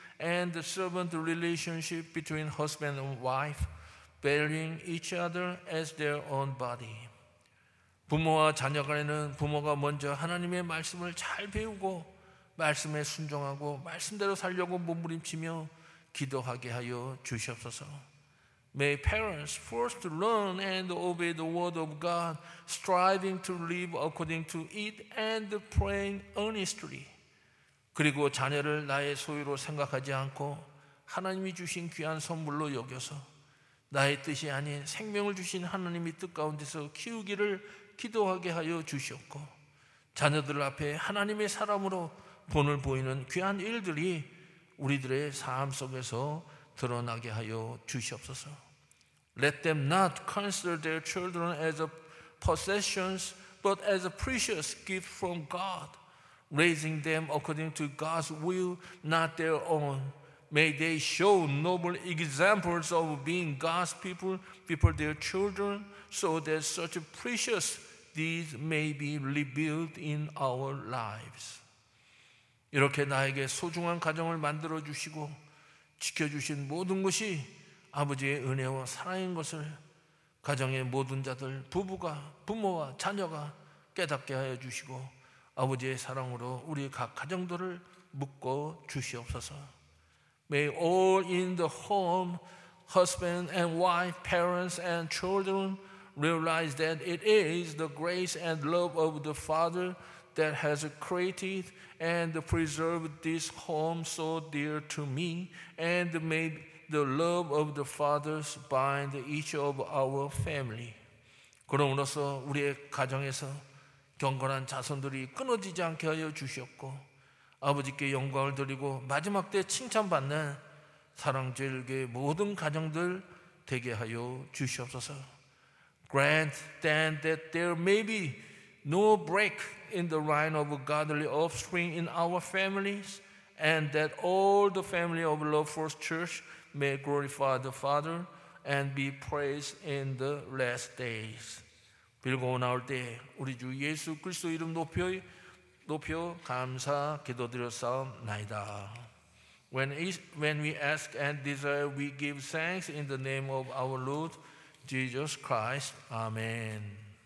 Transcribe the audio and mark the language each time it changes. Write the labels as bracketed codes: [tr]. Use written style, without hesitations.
[en] and the servant relationship between husband and wife, bearing each other as their own body. [ko] 부모와 자녀 간에는 부모가 먼저 하나님의 말씀을 잘 배우고 말씀에 순종하고 말씀대로 살려고 몸부림치며 기도하게 하여 주시옵소서. [en] May parents first learn and obey the word of God, striving to live according to it and praying earnestly. [ko] 그리고 자녀를 나의 소유로 생각하지 않고 하나님이 주신 귀한 선물로 여겨서 나의 뜻이 아닌 생명을 주신 하나님의 뜻 가운데서 키우기를 기도하게 하여 주시옵고 자녀들 앞에 하나님의 사람으로 본을 보이는 귀한 일들이 우리들의 삶 속에서 드러나게 하여 주시옵소서. [en] Let them not consider their children as possessions but as a precious gift from God, raising them according to God's will, not their own. May they show noble examples of being God's people before their children so that such precious deeds may be revealed in our lives. [ko] 이렇게 나에게 소중한 가정을 만들어 주시고 지켜주신 모든 것이 아버지의 은혜와 사랑인 것을 가정의 모든 자들, 부부가, 부모와 자녀가 깨닫게 하여 주시고 아버지의 사랑으로 우리 각 가정들을 묶어 주시옵소서. [en] May all in the home, husband and wife, parents and children, realize that it is the grace and love of the Father that has created and preserved this home so dear to me, and may the love of the fathers bind each of our family. [ko] 그러므로서 우리의 가정에서 경건한 자손들이 끊어지지 않게 하여 주시옵고 아버지께 영광을 드리고 마지막 때 칭찬받는 사랑제일교회 모든 가정들 되게 하여 주시옵소서. [en] Grant then that there may be no break in the line of godly offspring in our families, and that all the family of Love First Church may glorify the Father and be praised in the last days. [ko] 빌고 나올 때 우리 주 예수 그리스도 이름 높여 감사 기도드렸사옵나이다. [en] When we ask and desire, we give thanks in the name of our Lord Jesus Christ. Amen.